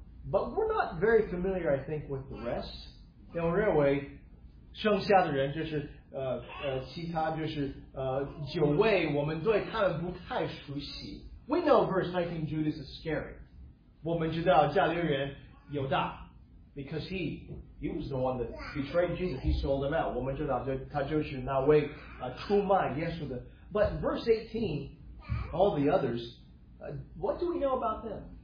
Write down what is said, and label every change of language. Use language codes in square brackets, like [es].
[en] But we're not very familiar, I think, with the rest. [zh] 我认为剩下的人就是其他就是九位，我们对他们不太熟悉。 [en] We know verse 19, Judas is scary. [zh] 我们知道加略人犹大, [en] because he was the one that betrayed Jesus. He sold him out. [zh] 我们知道他就是那位出卖耶稣的。 [en] But verse 18, all the others, what do we know about them?